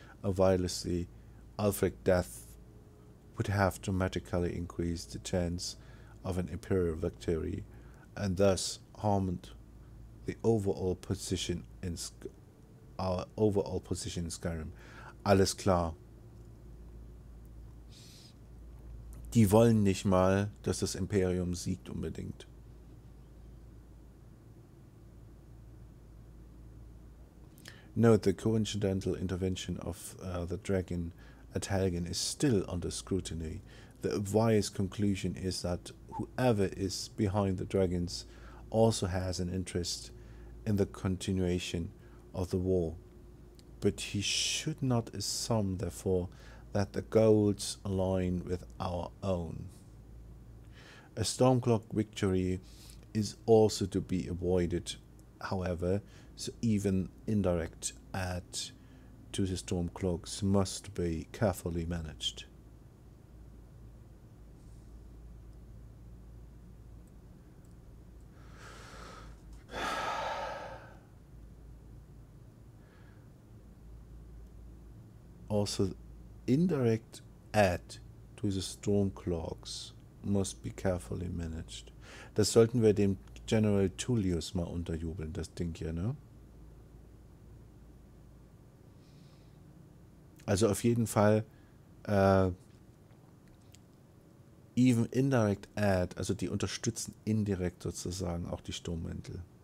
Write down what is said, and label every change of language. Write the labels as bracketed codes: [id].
[en] Obviously, Ulfric's death would have dramatically increased the chance of an imperial victory and thus harmed the overall position in Skyrim. [de] Alles klar. Die wollen nicht mal, dass das Imperium siegt unbedingt. [en] Note, the coincidental intervention of the dragon Atalgan is still under scrutiny. The obvious conclusion is that whoever is behind the dragons also has an interest in the continuation of the war. But he should not assume, therefore, that the goals align with our own. A Stormcloak victory is also to be avoided, however, so even indirect aid to the Stormcloaks must be carefully managed. Also, indirect aid to the Stormcloaks must be carefully managed. [de] Das sollten wir dem General Tullius mal unterjubeln, das Ding hier, ne? Also auf jeden Fall, [en] even indirect aid, [de] also die unterstützen indirekt sozusagen auch die Sturmmäntel.